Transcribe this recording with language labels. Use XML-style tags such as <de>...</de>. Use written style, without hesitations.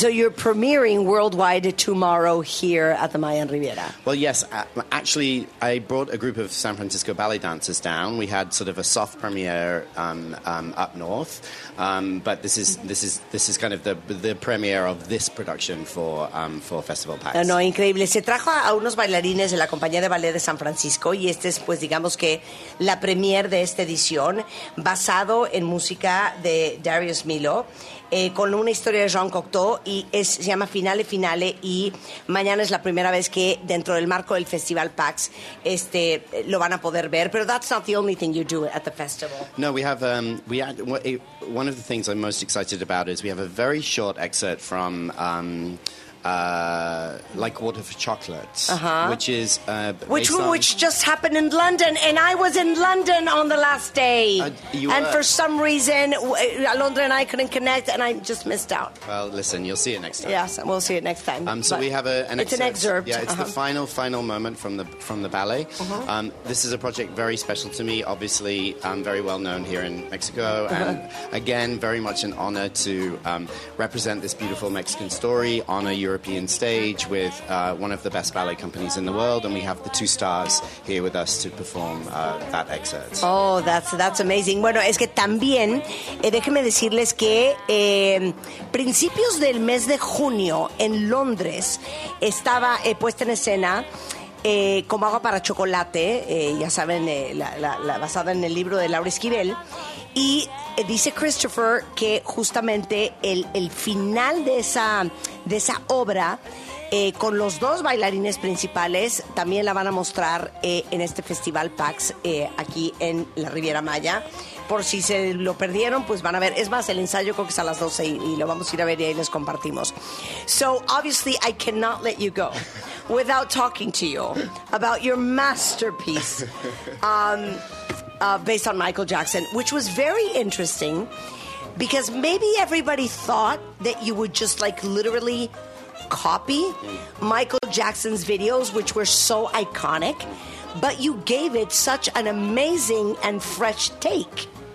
<en>So you're premiering worldwide tomorrow here at the Mayan Riviera. Well, yes. Actually, I brought a group of San Francisco ballet dancers down. We had sort of a soft premiere up north, but this is kind of the premiere of this production for Festival PAX.</en> <es>No, increíble. Se trajo a unos bailarines de la compañía de ballet de San Francisco y este es pues digamos que la premier de esta edición basado en música de Darius Milhaud con una historia de Jean Cocteau y se llama Finale Finale y mañana es la primera vez que dentro del marco del Festival PAX lo van a poder ver. Pero</es> <en>that's not the only thing you do at the festival. No, we have one of the things I'm most excited about is we have a very short excerpt from Like Water for Chocolates, which is which just happened in London, and I was in London on the last day, and for some reason, Alondra and I couldn't connect, and I just missed out. Well, listen, you'll see it next time. Yes, we'll see it next time. So we have an excerpt. It's an excerpt. Yeah, it's the final moment from the ballet. Uh-huh. This is a project very special to me. Obviously, I'm very well known here in Mexico, and again, very much an honor to represent this beautiful Mexican story on a European stage with one of the best ballet companies in the world, and we have the two stars here with us to perform that excerpt. Oh, that's amazing.</en> <es>Bueno, es que también déjenme decirles que principios del mes de junio en Londres estaba puesta en escena Como Agua para Chocolate, ya saben, la basada en el libro de Laura Esquivel. Y dice Christopher que justamente el final de esa obra, con los dos bailarines principales, también la van a mostrar en este Festival PAX aquí en la Riviera Maya. Por si se lo perdieron, pues van a ver. Es más, el ensayo creo que es a las 12 y lo vamos a ir a ver y ahí les compartimos.</es> <en>So, obviously, I cannot let you go without talking to you about your masterpiece based on Michael Jackson, which was very interesting because maybe everybody thought that you would just like literally copy Michael Jackson's videos, which were so iconic, but you gave it such an amazing and fresh take.</en>